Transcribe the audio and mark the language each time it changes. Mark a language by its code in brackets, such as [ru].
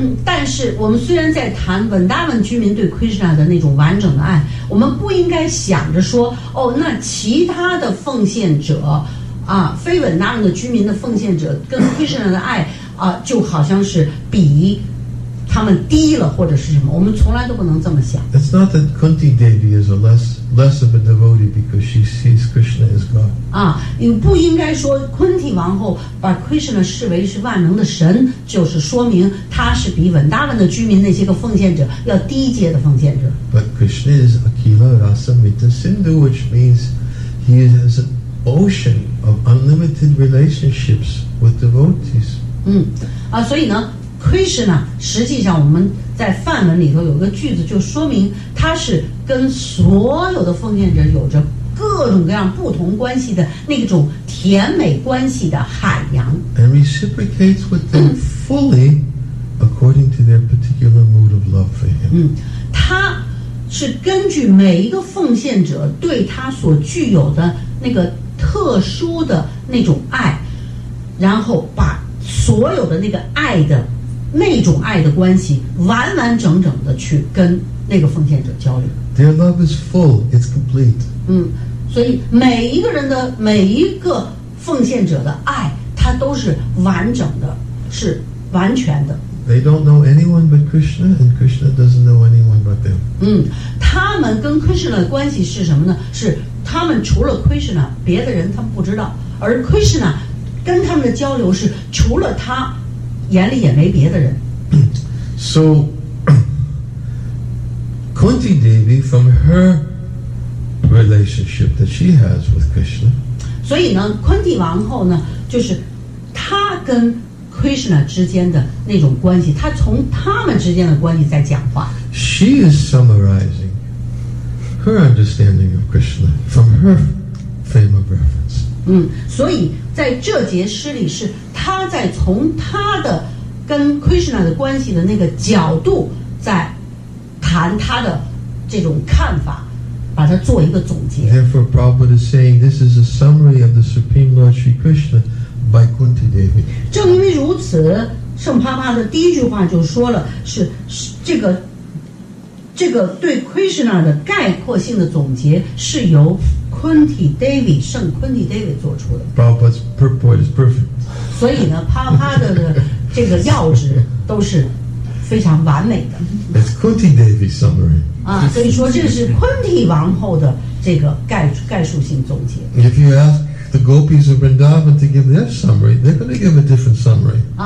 [zh] 但是我们虽然在谈文达文居民对 Krishna 的那种完整的爱，我们不应该想着说，哦，那其他的奉献者，啊，非文达文的居民的奉献者跟 Krishna 的爱，啊，就好像是比他们低了或者是什么，我们从来都不能这么想。 [en] It's not that Kunti Devi is a less of a devotee because she sees Krishna as God. [zh] 啊，你不应该说昆提王后把 Krishna 视为是万能的神，就是说明他是比文达文的居民那些个奉献者要低阶的奉献者。 [en] But Krishna is Akila Rasa Mita Sindhu, which means he has an ocean of unlimited relationships with devotees. [zh] 嗯，啊，所以呢。 Krishna 实际上我们在梵文里头有个句子就说明他是跟所有的奉献者有着各种各样不同关系的那种甜美关系的海洋 [en] and reciprocates with them fully according to their particular mood of love for him [zh] 他是根据每一个奉献者对他所具有的那个特殊的那种爱然后把所有的那个爱的那种爱的关系完完整整的去跟那个奉献者交流 [en] Their love is full, it's complete [zh] 所以每一个人的每一个奉献者的爱它都是完整的是完全的 [en] They don't know anyone but Krishna and Krishna doesn't know anyone but them [zh] 他们跟 Krishna 的关系是什么呢是他们除了 Krishna 别的人他们不知道而 Krishna 跟他们的交流是除了他眼里也没别的人 [en] So Kunti Devi from her relationship that she has with Krishna [zh] 所以呢 Kunti 王后呢就是她跟 Krishna 之间的那种关系她从他们之间的关系在讲话 [en] She is summarizing her understanding of Krishna from her frame of reference [zh] 所以在这节诗里是他在从他的跟 Krishna 的关系的那个角度在谈他的这种看法把它做一个总结 [en] Therefore Prabhupada is saying this is a summary of the Supreme Lord Sri Krishna by Kunti Devi [zh] 正因为如此圣帕帕的第一句话就说了是这个对 Krishna 的概括性的总结是由 Kunti Devi 圣 Kunti Devi 做出的 [en] Prabhupada's purport is perfect [zh] 所以呢啪啪的这个钥匙都是非常完美的 [en] It's Kunti Devi's summary [zh] 所以说这是昆提王后的这个 概述性总结 [en] If you ask the gopis of Vrindavan to give their summary they're going to give a different summary